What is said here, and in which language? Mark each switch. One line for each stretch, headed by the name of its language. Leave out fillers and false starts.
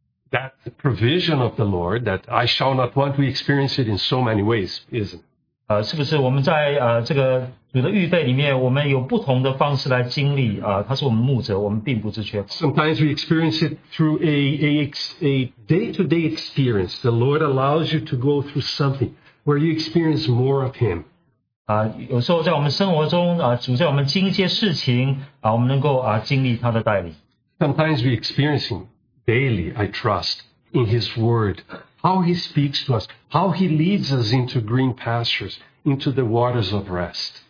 English: That provision of the Lord that I shall not want, we experience it in so many ways, isn't it?
Chinese: 是不是我们在这个主的预备里面，我们有不同的方式来经历他是我们牧者，我们并不知缺乏。
English: Sometimes we experience it through a day-to-day experience. The Lord allows you to go through something where you experience more of Him.
Chinese: 有时候在我们生活中主在我们经历一些事情我们能够经历他的带领。
English: Sometimes we experience Him daily. I trust in His Word, how He speaks to us, how He leads us into green pastures, into the waters of rest.